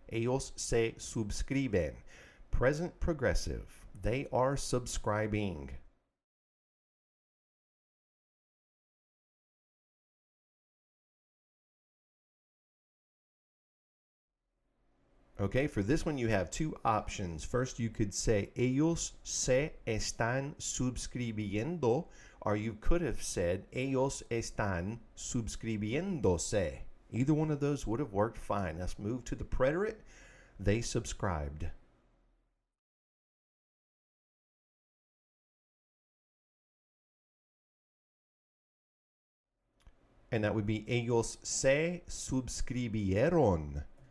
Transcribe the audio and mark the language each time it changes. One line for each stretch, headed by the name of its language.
Spanish: Ellos se suscriben. Present progressive.
English: They are subscribing. Okay, for this one you have two options. First, you could say ellos se están suscribiendo, or you could have said ellos están suscribiéndose. Either one of those would have worked fine. Let's move to the preterite. They subscribed. And that would be ellos se suscribieron.